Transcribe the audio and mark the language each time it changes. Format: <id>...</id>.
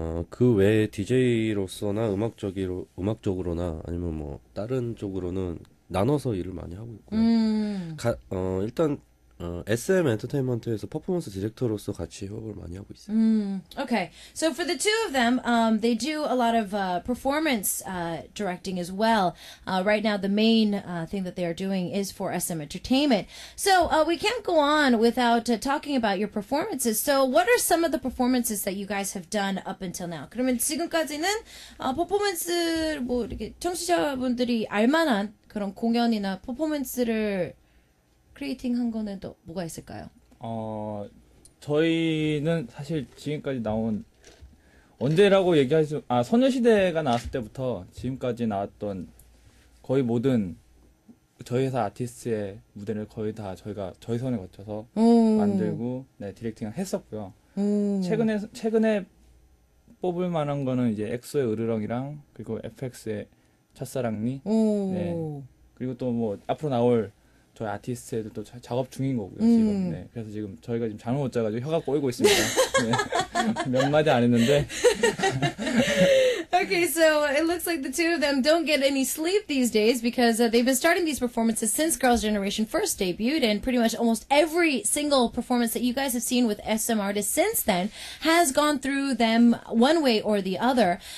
<ko>그 외에 DJ로서나 음악적으로나 아니면 뭐 다른 쪽으로는 나눠서 일을 많이 하고 있고요. 일단 SM 엔터테인먼트에서 퍼포먼스 디렉터로서 같이 협업을 많이 하고 있어요.</ko> <en>Okay. So for the two of them, they do a lot of performance directing as well. Right now the main thing that they are doing is for SM Entertainment. So we can't go on without talking about your performances. So what are some of the performances that you guys have done up until now?</en> <ko>그러면 지금까지는 퍼포먼스 뭐 이렇게 청취자분들이 알 만한 그런 공연이나 퍼포먼스를 크리에이팅 한 거는 또 뭐가 있을까요? 저희는 사실 지금까지 나온 언제라고 얘기할 수 소녀시대가 나왔을 때부터 지금까지 나왔던 거의 모든 저희 회사 아티스트의 무대를 거의 다 저희 선에 거쳐서 만들고 네 디렉팅을 했었고요. 최근에 뽑을 만한 거는 이제 엑소의 으르렁이랑 그리고 FX의 첫사랑니 네 그리고 또 뭐 앞으로 나올 저희 아티스트에도 또 작업 중인 거고요. 지금 네. 그래서 지금 저희가 지금 잠을 못 자가지고 혀가 꼬이고 있습니다. 네. 몇 마디 안 했는데.</ko> <en>Okay, so it looks like the two of them don't get any sleep these days because they've been starting these performances since Girls' Generation first debuted, and pretty much almost every single performance that you guys have seen with SM artists since then has gone through them one way or the other.</en>